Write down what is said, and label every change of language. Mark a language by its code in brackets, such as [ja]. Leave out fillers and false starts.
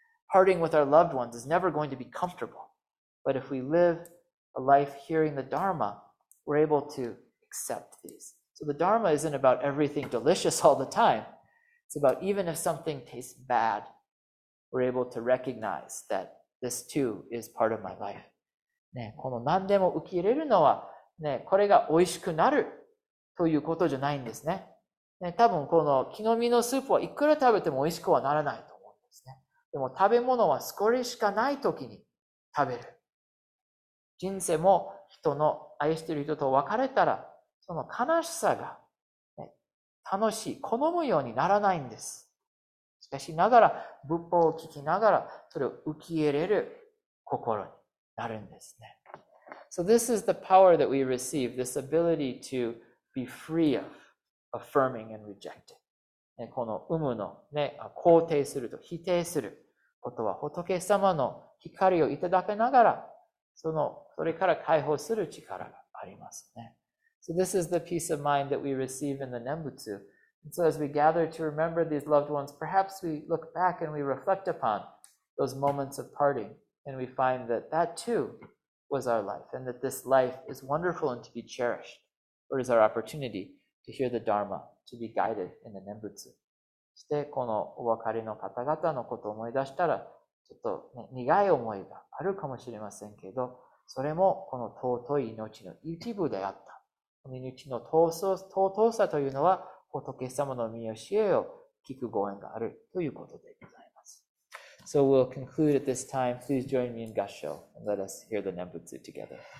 [en] Parting with our loved ones is never going to be comfortable. But if we live a life hearing the Dharma, we're able to accept these. So the Dharma isn't about everything delicious all the time. It's about even if something tastes bad, we're able to recognize that this too is part of my life. [ja] ね、この何でも受け入れるのは、ね、これが美味しくなるということじゃないんですね。ね、多分この木の実のスープはいくら食べても美味しくはならないと思うんですね。でも食べ物は少ししかない時に食べる。人生も人の愛している人と別れたら、その悲しさが、ね、楽しい、好むようにならないんです。しかしながら、仏法を聞きながら、それを受け入れる心になるんですね。 [en] So this is the power that we receive, this ability to be free of. Affirming and rejecting. [ja] ね、この有無の、ね、肯定すると否定することは仏様の光をいただけながら それから解放する力がありますね。 [en] So this is the peace of mind that we receive in the Nembutsu. And so as we gather to remember these loved ones, perhaps we look back and we reflect upon those moments of parting and we find that that too was our life and that this life is wonderful and to be cherished or is our opportunity. To hear the Dharma, to be guided in the Nembutsu. [ja] そしてこのお別れの方々のことを思い出したら、ちょっと、ね、苦い思いがあるかもしれませんけど、それもこの尊い命の一部であった。この命の尊さというのは、仏様の御教えを聞くご縁があるということでございます。 [en] So we'll conclude at this time. Please join me in Gassho and let us hear the Nembutsu together.